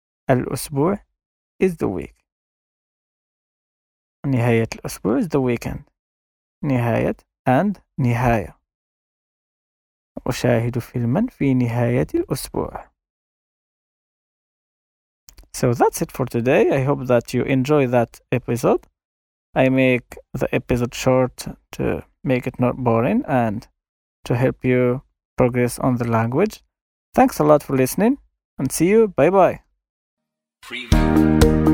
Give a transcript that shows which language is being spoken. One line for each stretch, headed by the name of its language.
English: الأسبوع is the week. نهاية الأسبوع is the weekend.
Arabic: نهاية and نهاية. أشاهد فيلما في نهاية الأسبوع.
English: So that's it for today. I hope that you enjoy that episode. I make the episode short to make it not boring and to help you progress on the language. Thanks a lot for listening and see you. Bye bye.